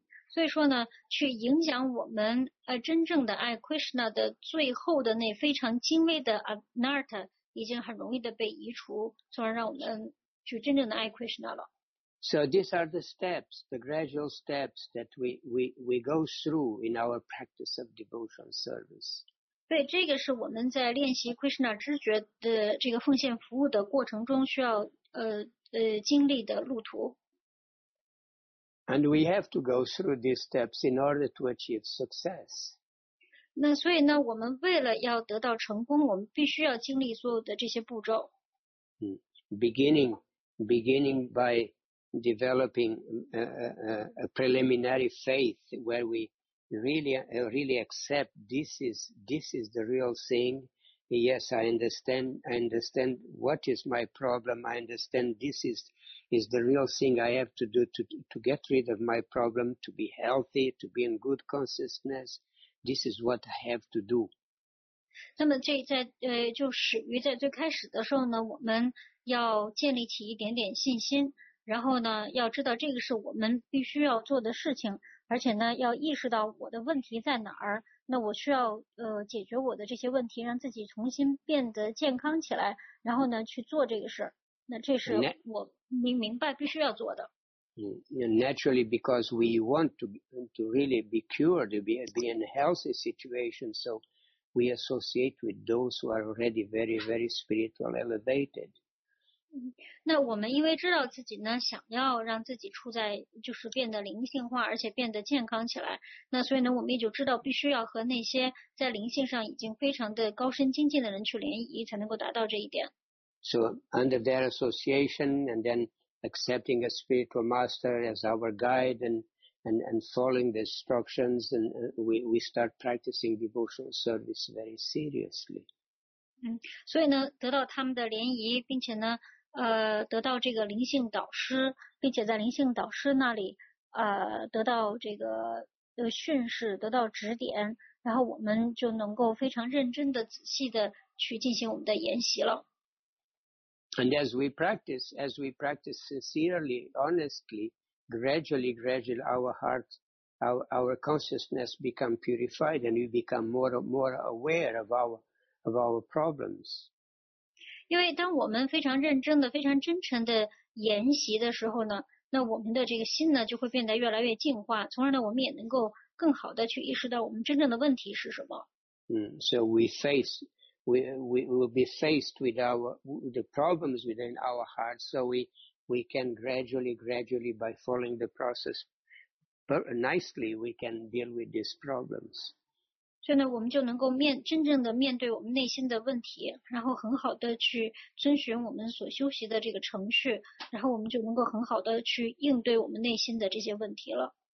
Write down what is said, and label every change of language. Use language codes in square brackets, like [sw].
[zh] 所以说呢，去影响我们真正的爱 Krishna 的最后的那非常精微的 anartha 已经很容易的被移除，从而让我们去真正的爱 Krishna 了。 [en] So these are the steps, the gradual steps that we go through in our practice of devotional service. [zh] 对，这个是我们在练习 Krishna 知觉的这个奉献服务的过程中需要经历的路途。 [en] And we have to go through these steps in order to achieve success. [zh] 那所以呢，我们为了要得到成功，我们必须要经历所有的这些步骤。 [en] Beginning by developing a preliminary faith where we really accept this is the real thing. Yes, I understand what is my problem. I understand this is the real thing I have to do to get rid of my problem, to be healthy, to be in good consciousness. This is what I have to do. [zh] 那么这在就始于在最开始的时候呢，我们要建立起一点点信心，然后呢，要知道这个是我们必须要做的事情，而且呢，要意识到我的问题在哪儿。那我需要解决我的这些问题，让自己重新变得健康起来，然后呢，去做这个事儿。那这是我明白必须要做的。 [en] Naturally, because we want to really be cured, to be in a healthy situation, so we associate with those who are already very, very spiritual elevated. [zh] 那我们因为知道自己呢，想要让自己处在就是变得灵性化，而且变得健康起来，那所以呢，我们也就知道必须要和那些在灵性上已经非常的高深精进的人去联谊，才能够达到这一点。 [en] So under their association and then accepting a spiritual master as our guide and following the instructions and we start practicing devotional service very seriously. [zh] 所以呢，得到他们的联谊，并且呢，得到这个灵性导师，并且在灵性导师那里，得到这个训示，得到指点，然后我们就能够非常认真的、仔细的去进行我们的研习了。 [en] And as we practice sincerely, honestly, gradually, our heart, our consciousness become purified, and we become more aware of our of our problems. [zh] 因为当我们非常认真的非常真诚的研习的时候呢，那我们的这个心呢就会变得越来越净化，从而呢我们也能够更好的去意识到我们真正的问题是什么。 [en] So we will be faced with our with the problems within our hearts, so we can gradually by following the process nicely, we can deal with these problems. [zh] 所以呢我们就能够面真正的面对我们内心的问题，然后很好的去遵循我们所修习的这个程序，然后我们就能够很好的去应对我们内心的这些问题了。